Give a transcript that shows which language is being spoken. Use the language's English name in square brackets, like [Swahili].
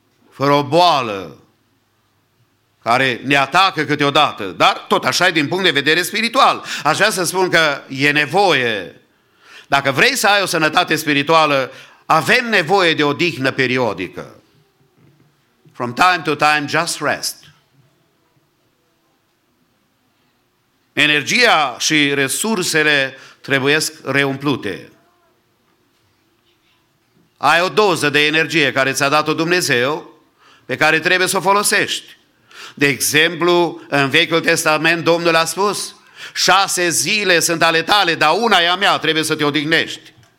[Romanian] Fără o boală care ne atacă câteodată. Dar tot așa e din punct de vedere spiritual. Aș vrea să spun că e nevoie. Dacă vrei să ai o sănătate spirituală, avem nevoie de odihnă periodică. [English] From time to time, just rest. [Romanian] Energia și resursele trebuiesc reumplute. Ai o doză de energie care ți-a dat-o Dumnezeu, pe care trebuie să o folosești. De exemplu, în Vechiul Testament, Domnul a spus, 6 zile sunt ale tale, dar una e a mea, trebuie să te odihnești.